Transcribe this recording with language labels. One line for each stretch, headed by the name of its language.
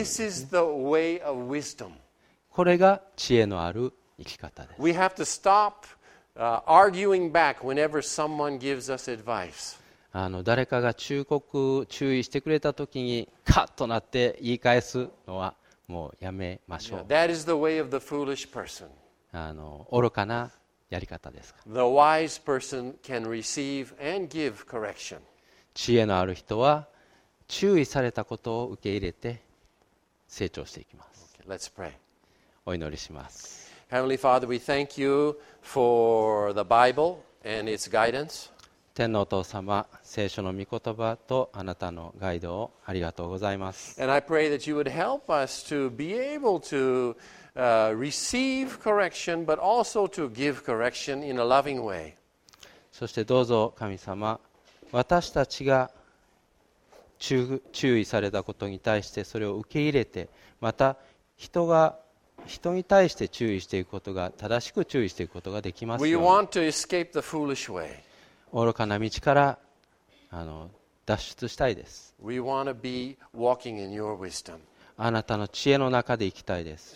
Japanese: んですね。
English: This is the way of wisdom.
Japanese: これが知恵のある生き方です。
English: We have to stop arguing back whenever someone gives us advice.
Japanese: 誰かが忠告、注意してくれたときにカッとなって言い返すのはもうやめましょう。
English: That is the way of the foolish person.
Japanese: 愚かなやり方ですか。
English: The wise person can receive and give correction.
Japanese: 知恵のある人は注意されたことを受け入れて成長していきます。
English: Okay, let's pray.
Japanese: お祈りします。
English: Heavenly Father, we thank you for the Bible and its guidance.
Japanese: 天のお父様、聖書の御言葉とあなたのガイドをありがとうございます。
English: And I pray that you would help us to be able to receive correction, but also to give correction in a loving way.
Japanese: そしてどうぞ神様、私たちが注意されたことに対してそれを受け入れて、また人に対して注意していくことが、正しく注意していくことができますように。
English: We want to escape the foolish way.
Japanese: 愚かな道から脱出したいです。
English: We want to be walking in your wisdom.
Japanese: あなたの知恵の中で生きたいです。